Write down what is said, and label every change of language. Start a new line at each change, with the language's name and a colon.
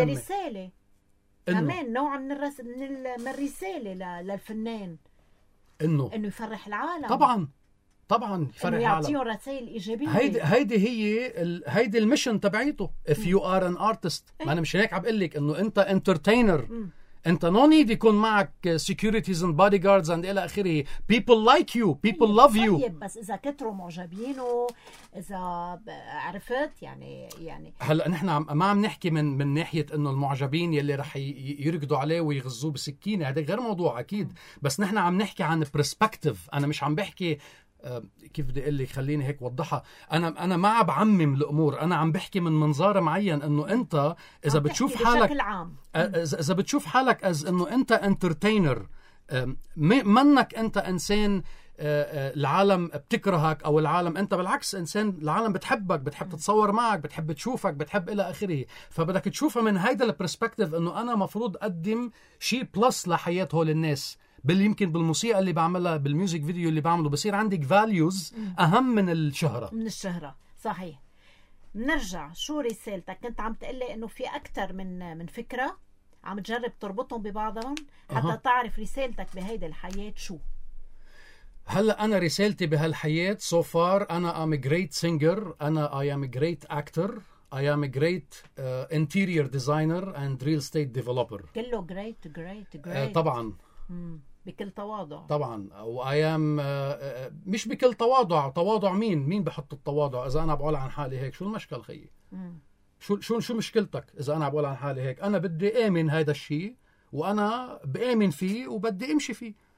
Arabic: هيدا رسالة كمان، نوع من الرسالة للفنان انه يفرح العالم. طبعا طبعا يفرح العالم، يعطيه رسائل ايجابية. هيدي هي هيدي المشن تبعيته.
English: If you are an artist،
Arabic: ما انا مش هيك عم بقلك انه انت entertainer. انت
English: no need
Arabic: يكون معك
English: securities and bodyguards and
Arabic: الى اخره.
English: People like you, people love you.
Arabic: بس اذا كتروا معجبينه، اذا عرفت يعني هلا نحن ما عم نحكي من ناحيه انه المعجبين يلي رح يركضوا عليه ويغزوه بسكينه، هذا غير موضوع اكيد. بس نحن عم نحكي عن برسبكتيف. انا مش عم بحكي كيف بدي اقول لك، خليني هيك وضحها. انا ما عم بعمم الامور، انا عم بحكي من منظار معين انه انت اذا بتشوف حالك بشكل عام. اذا بتشوف حالك از انه انت انترتينر، منك انت انسان العالم بتكرهك او العالم، انت بالعكس انسان العالم بتحبك، بتحب تتصور معك، بتحب تشوفك، بتحب الى اخره. فبدك تشوفها من هيدا البرسبكتيف انه انا مفروض اقدم شيء بلس لحياه هول الناس، يمكن بالموسيقى اللي بعملها، بالميوزيك فيديو اللي بعمله، بصير عندك values أهم من الشهرة. من الشهرة صحيح. نرجع، شو رسالتك؟ كنت عم تقلي أنه في أكتر من فكرة عم تجرب تربطهم ببعضهم حتى تعرف رسالتك بهيدا الحياة شو. هلأ أنا رسالتي بهالحياة
English: so far، أنا I'm a great singer، أنا I am a great actor، I am a great interior designer and real estate developer. كله great great great.
Arabic: طبعاً بكل تواضع طبعا. وايام مش بكل تواضع، تواضع مين بحط التواضع؟ اذا انا بقول عن حالي هيك شو المشكله خيي؟ شو مشكلتك اذا انا بقول عن حالي هيك؟ انا بدي امن هذا الشيء وانا بامن فيه وبدي امشي فيه.